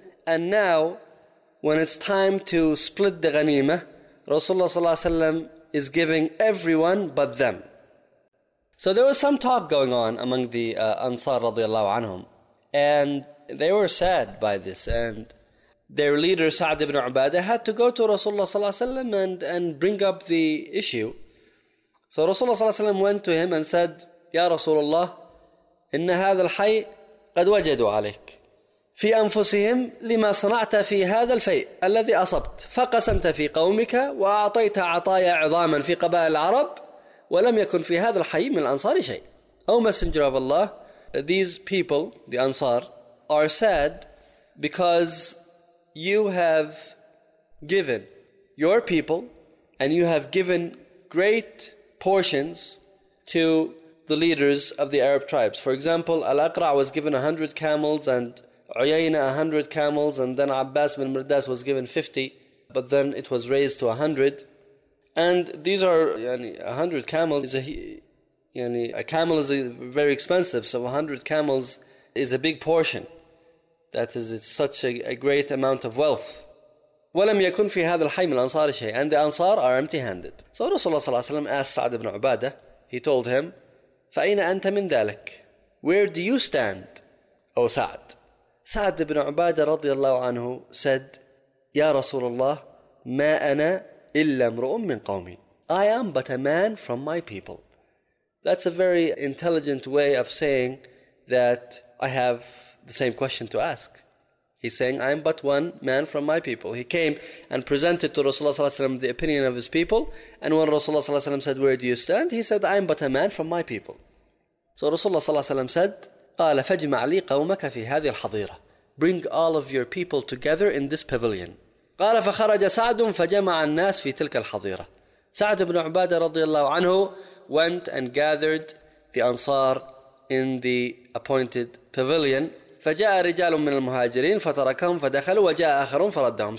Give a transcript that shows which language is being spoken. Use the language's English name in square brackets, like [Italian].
[English] And now, when it's time to split the ghanima, Rasulullah ﷺ is giving everyone but them. So there was some talk going on among the Ansar radiallahu anhum, and they were sad by this. And their leader, Sa'd ibn Ubadah, had to go to Rasulullah ﷺ and bring up the issue. So Rasulullah ﷺ went to him and said, Ya Rasulullah, [Arabic] إن هذا الحي قد وجدوا عليك في أنفسهم لما صنعت في هذا الفيء الذي أصبت فقسمت في قومك وأعطيت عطايا عظاما في قبائل العرب ولم يكن في هذا الحي من الأنصار شيء. [English] Oh Messenger of Allah, these people, the Ansar, are sad because you have given your people and you have given great portions to the leaders of the Arab tribes. For example, Al-Aqra' was given 100 camels and Uyayna 100 camels, and then Abbas bin Mirdas was given 50, but then it was raised to 100. And these are, 100 camels is a camel is very expensive, so 100 camels is a big portion. That is, it's such a great amount of wealth. [Arabic] وَلَمْ يَكُنْ فِي هَذَا الْحَيْمِ الْأَنصَارِ شَيْءٍ. [English] And the Ansar are empty-handed. So Rasulullah ﷺ asked Sa'd ibn Ubadah, he told him, [Arabic] فَأَيْنَ أَنْتَ مِنْ ذَلَكَ. [English] Where do you stand, O Sa'd? Sa'd ibn Ubadah radiallahu anhu said, [Arabic] يَا رَسُولَ اللَّهِ مَا أَنَا إِلَّا مْرُؤٌ مِّنْ قَوْمِي. [English] I am but a man from my people. That's a very intelligent way of saying that I have the same question to ask. He's saying, I am but one man from my people. He came and presented to Rasulullah ﷺ the opinion of his people. And when Rasulullah ﷺ said, where do you stand? He said, I am but a man from my people. So Rasulullah ﷺ said, [Arabic] قَالَ فَجْمَعْ لِي قَوْمَكَ فِي هَذِي الْحَضِيرَةِ. [English] Bring all of your people together in this pavilion. [Arabic] قَالَ فَخَرَجَ سَعْدٌ فَجَمَعَ النَّاسِ فِي تِلْكَ الْحَضِيرَةِ. [English] Sa'd ibn Ubadah رضي الله عنه went and gathered the Ansar in the appointed pavilion. [Arabic] فَجَاءَ رِجَالٌ مِّنَ الْمُهَاجِرِينَ فَتَرَكَهُمْ فَدَخَلُوا وَجَاءَ آخَرُونَ فَرَدَّهُمْ.